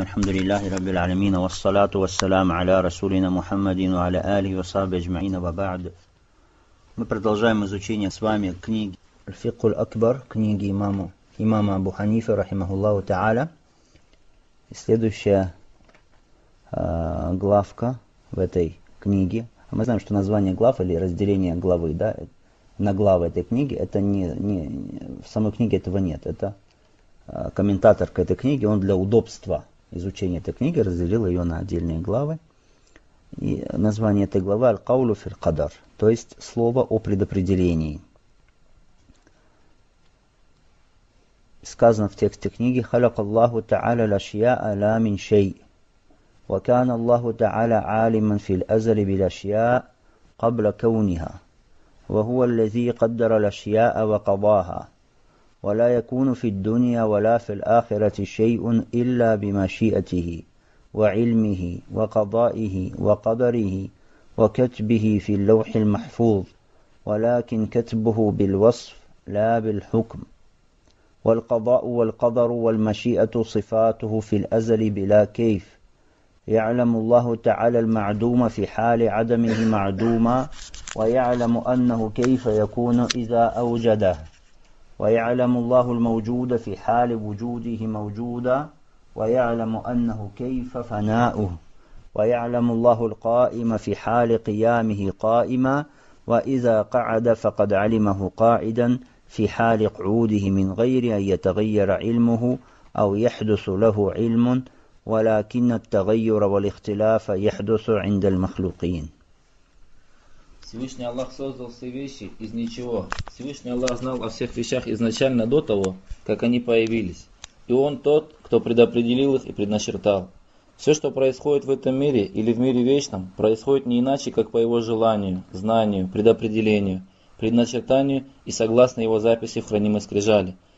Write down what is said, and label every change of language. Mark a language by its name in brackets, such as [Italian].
[Arabic] الحمد لله رب العالمين، والصلاة والسلام على رسولنا محمد وعلى آله وصحبه أجمعين، وبعد. [Russian] Мы продолжаем изучение с вами книги Аль-Фикх Аль-Акбар, книги имама Абу Ханифы, рахимахуллаху та'аля. Следующая главка в этой книге. Мы знаем, что название глав или разделение главы, да, на главы этой книги, это не в самой книге этого нет. Это комментатор к этой книге, он для удобства изучения этой книги разделил ее на отдельные главы. И название этой главы «Аль-Каулю фил-Кадар», то есть слово о предопределении. Сказано в тексте книги [Arabic] «Халяк Аллаху та'аля ла-шья'а ла-мин шей, ва-кан Аллаху та'аля алиман фил-азали бил-ашья'а кабла кауниха, ва-хуа-лази каддара ла-шья'а ва-кабаха, ва-ла якуну фил-дуния ва-ла фил-ахирати шей'ун илля бима-ши'атихи». وعلمه وقضائه وقدره وكتبه في اللوح المحفوظ ولكن كتبه بالوصف لا بالحكم والقضاء والقدر والمشيئة صفاته في الأزل بلا كيف يعلم الله تعالى المعدوم في حال عدمه معدوما ويعلم أنه كيف يكون إذا أوجده ويعلم الله الموجود في حال وجوده موجودا ويعلم أنه كيف فناؤه ويعلم الله القائم في حال قيامه قائما وإذا قعد فقد علمه قاعدا في حال قعوده من غير أن يتغير علمه أو يحدث له علم ولكن التغير والاختلاف يحدث عند المخلوقين. [Russian] Всевышний Аллах создал все вещи из ничего. Всевышний Аллах знал о всех вещах изначально до того, как они появились. И он тот, кто предопределил их и предначертал. Все, что происходит в этом мире или в мире вечном, происходит не иначе, как по его желанию, знанию, предопределению, предначертанию и согласно его записи в хранимой скрижали.